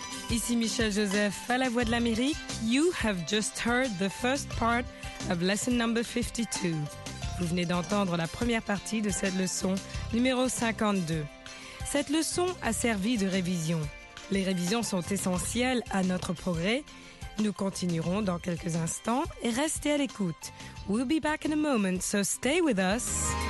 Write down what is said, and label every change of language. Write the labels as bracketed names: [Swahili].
[French] Ici Michel Joseph à la Voix de l'Amérique. [English] You have just heard the first part of lesson number 52. [French] Vous venez d'entendre la première partie de cette leçon numéro 52. Cette leçon a servi de révision. Les révisions sont essentielles à notre progrès. Nous continuerons dans quelques instants et restez à l'écoute. [English] We'll be back in a moment, so stay with us.